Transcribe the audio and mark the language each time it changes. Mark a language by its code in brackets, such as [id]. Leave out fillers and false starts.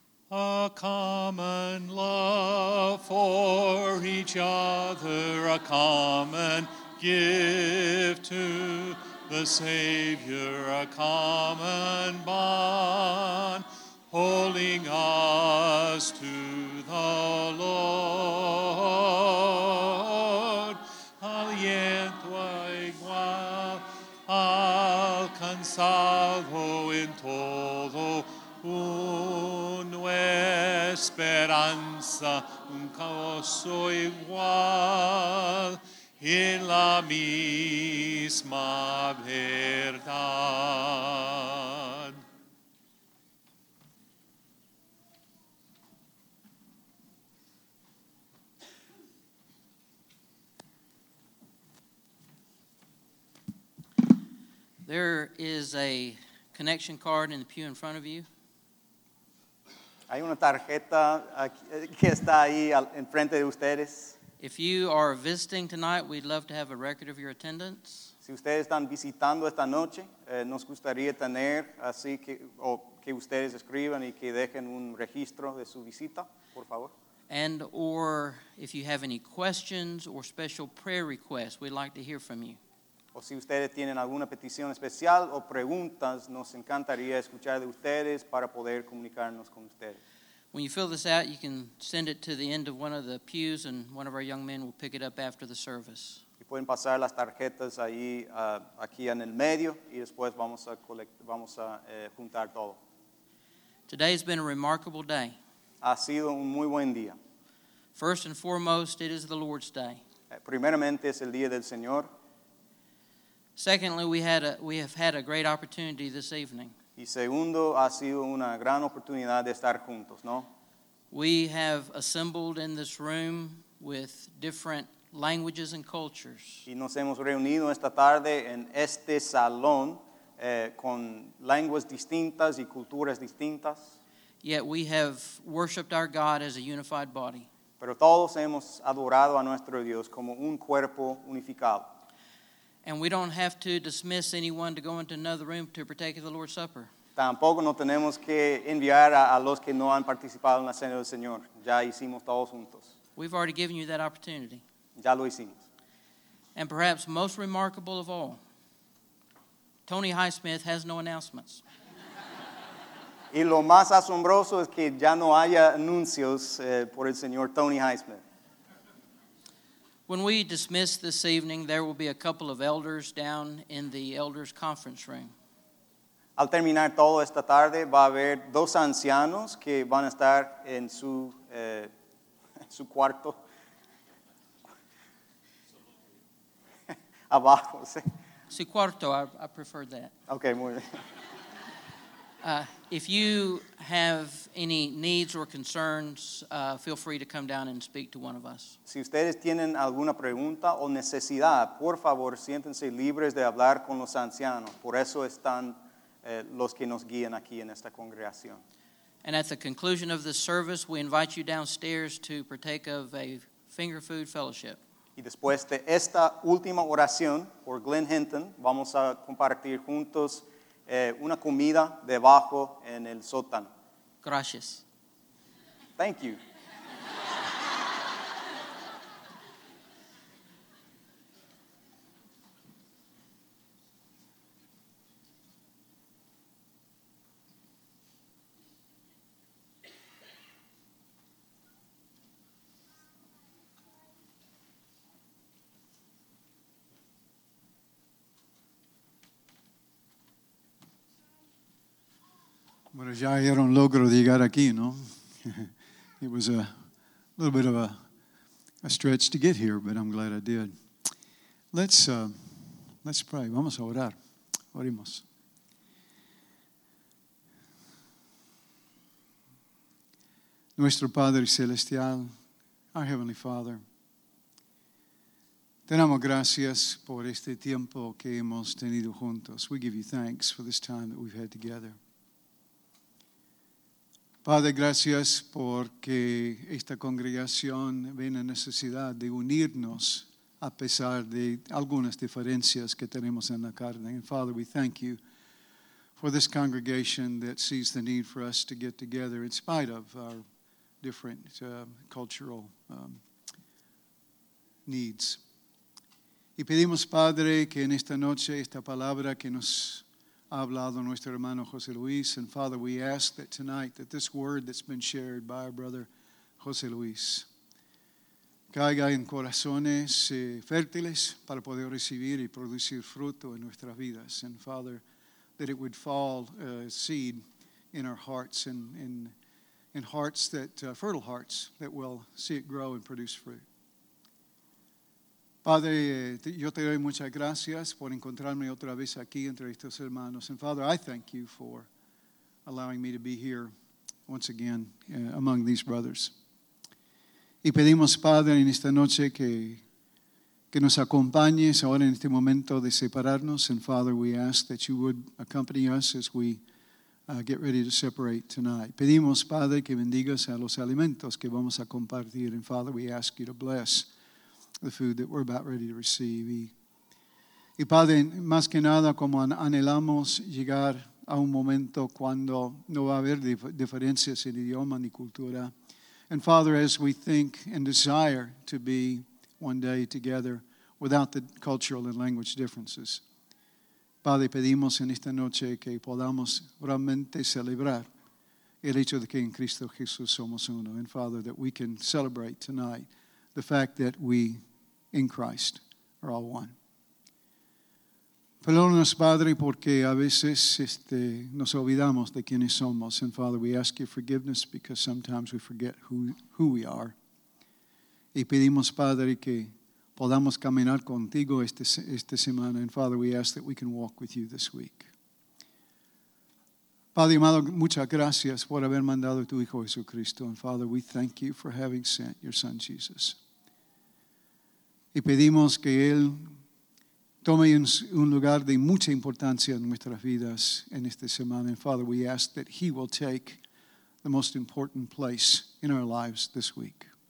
[en] A common love for each other, a common gift to the Savior, a common bond holding us to the Lord. [es] Aliento igual a salvo en todo uno esperanza un caso igual en la misma verdad. [en] There is a connection card in the pew in front of you. [es] Hay una tarjeta que está ahí en frente de ustedes. [en] If you are visiting tonight, we'd love to have a record of your attendance. [es] Si ustedes están visitando esta noche, nos gustaría tener así que o que ustedes escriban y que dejen un registro de su visita, por favor. [en] And or if you have any questions or special prayer requests, we'd like to hear from you. [es] O si ustedes tienen alguna petición especial o preguntas, nos encantaría escuchar de ustedes para poder comunicarnos con ustedes. [en] When you fill this out, you can send it to the end of one of the pews and one of our young men will pick it up after the service. [es] Y pueden pasar las tarjetas ahí aquí en el medio y después juntar todo. [en] Today's been a remarkable day. [es] Ha sido un muy buen día. [en] First and foremost, it is the Lord's Day. [es] Primeramente es el día del Señor. [en] Secondly, we have had a great opportunity this evening. [es] Y segundo, ha sido una gran oportunidad de estar juntos, ¿no? [en] We have assembled in this room with different languages and cultures. [es] Y nos hemos reunido esta tarde en este salón con lenguas distintas y culturas distintas. [en] Yet we have worshiped our God as a unified body. [es] Pero todos hemos adorado a nuestro Dios como un cuerpo unificado. [en] And we don't have to dismiss anyone to go into another room to partake of the Lord's Supper. [es] Tampoco no tenemos que enviar a los que no han participado en la cena del Señor. Ya hicimos todos juntos. [en] We've already given you that opportunity. [es] Ya lo hicimos. [en] And perhaps most remarkable of all, Tony Highsmith has no announcements. [es] Y lo más asombroso es que ya no haya anuncios por el señor Tony Highsmith. [en] When we dismiss this evening, there will be a couple of elders down in the elders' conference room. [es] Al terminar todo esta tarde, va a haber dos ancianos que van a estar en su su cuarto. Abajo, sí. Su cuarto, [en] I prefer that. [es] Okay, muy bien. [en] If you have any needs or concerns, feel free to come down and speak to one of us. [es] Si ustedes tienen alguna pregunta o necesidad, por favor, siéntense libres de hablar con los ancianos. Por eso están los que nos guían aquí en esta congregación. [en] And at the conclusion of the service, we invite you downstairs to partake of a finger food fellowship. [es] Y después de esta última oración por Glenn Hinton, vamos a compartir juntos una comida debajo en el sótano. Gracias. [en] Thank you. [es] Bueno, ya era un logro de llegar aquí, ¿no? [en] It was a little bit of a stretch to get here, but I'm glad I did. Let's pray. [es] Vamos a orar. Oremos. Nuestro Padre Celestial, [en] our Heavenly Father, [es] te damos gracias por este tiempo que hemos tenido juntos. [en] We give you thanks for this time that we've had together. [es] Padre, gracias porque esta congregación ve la necesidad de unirnos a pesar de algunas diferencias que tenemos en la carne. [en] And Father, we thank you for this congregation that sees the need for us to get together in spite of our different cultural needs. [es] Y pedimos, Padre, que en esta noche esta palabra que nos ha hablado nuestro hermano José Luis, [en] and Father, we ask that tonight that this word that's been shared by our brother José Luis [es] caiga en corazones fértiles para poder recibir y producir fruto en nuestras vidas, [en] and Father, that it would fall seed in our hearts and in hearts that fertile hearts that will see it grow and produce fruit. [es] Padre, yo te doy muchas gracias por encontrarme otra vez aquí entre estos hermanos. [en] And Father, I thank you for allowing me to be here once again among these brothers. [es] Y pedimos, Padre, en esta noche que nos acompañes ahora en este momento de separarnos. [en] And Father, we ask that you would accompany us as we get ready to separate tonight. [es] Pedimos, Padre, que bendigas a los alimentos que vamos a compartir. [en] And Father, we ask you to bless the food that we're about ready to receive. [es] Y Padre, más que nada, como anhelamos llegar a un momento cuando no va a haber diferencias en idioma ni cultura. [en] And Father, as we think and desire to be one day together without the cultural and language differences, [es] Padre, pedimos en esta noche que podamos realmente celebrar el hecho de que en Cristo Jesús somos uno. [en] And Father, that we can celebrate tonight the fact that we in Christ are all one. [es] Perdónanos, Padre, porque a veces nos olvidamos de quiénes somos. [en] And Father, we ask your forgiveness because sometimes we forget who we are. [es] Y pedimos, Padre, que podamos caminar contigo esta semana. [en] And Father, we ask that we can walk with you this week. [es] Padre amado, muchas gracias por haber mandado a tu Hijo Jesucristo. [en] And Father, we thank you for having sent your Son Jesus. [es] Y pedimos que Él tome un lugar de mucha importancia en nuestras vidas en esta semana. [en] And Father, we ask that He will take the most important place in our lives this week.